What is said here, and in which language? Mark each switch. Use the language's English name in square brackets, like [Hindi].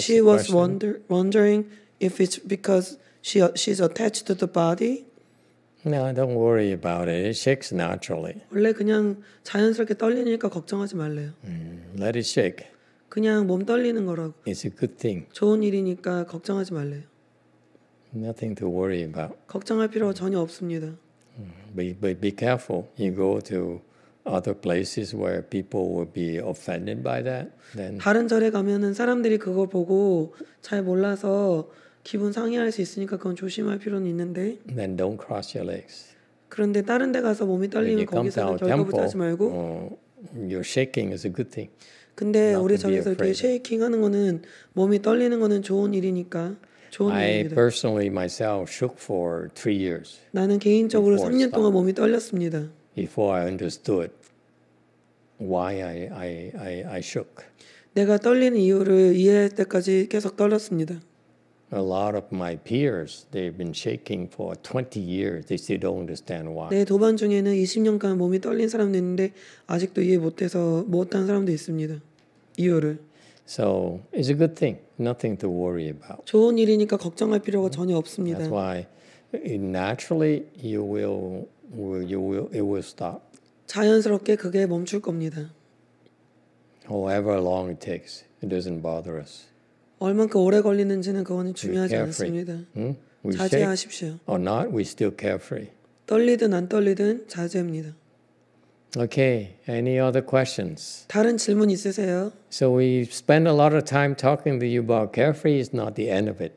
[English] she was wondering if it's because she's attached to the body. No, don't worry about it. It shakes naturally. [Korean] 원래 그냥 자연스럽게 떨리니까 걱정하지 말래요. [English] Let it shake. [Korean] 그냥 몸 떨리는 거라고. [English] It's a good thing. [Korean] 좋은 일이니까 걱정하지 말래요. [English] Nothing to worry about. [Korean] 걱정할 필요가 전혀 없습니다. [English] But be careful. You go to other places where people will be offended by that. Then [Korean] 다른 절에 가면은 사람들이 그거 보고 잘 몰라서 기분 상해할 수 있으니까 그건 조심할 필요는 있는데. [English] Then don't cross your legs. [Korean] 그런데 다른 데 가서 몸이 떨리면 거기서는 절거부터 하지 말고. [English] Your shaking is a good thing. [Korean] 근데 우리 절에서 이렇게 shaking 하는 거는 몸이 떨리는 거는 좋은 일이니까 좋은 일입니다. [English] I personally myself shook for 3 years. [Korean] 나는 개인적으로 3년 동안 몸이 떨렸습니다. [English] Before I understood why I shook. [Korean] 내가 떨리는 이유를 이해할 때까지 계속 떨렸습니다. [English] A lot of my peers, they've been shaking for 20 years. They still don't understand why. [Korean] 네, 도반 중에는 20년간 몸이 떨린 사람도 있는데 아직도 이해 못해서 못한 사람도 있습니다. 이유를. [English] So it's a good thing. Nothing to worry about. [Korean] 좋은 일이니까 걱정할 필요가 전혀 없습니다. [English] That's why naturally it will stop. [Korean] 자연스럽게 그게 멈출 겁니다. [English] However long it takes, it doesn't bother us. [Korean] 얼만큼 오래 걸리는지는 그거는 중요하지 않습니다. Hmm? 자제하십시오. [English] Or not, we still carefree. [Korean] 떨리든 안 떨리든 자제입니다. [English] Okay, any other questions? [Korean] 다른 질문 있으세요? [English] So we spend a lot of time talking to you about carefree is not the end of it.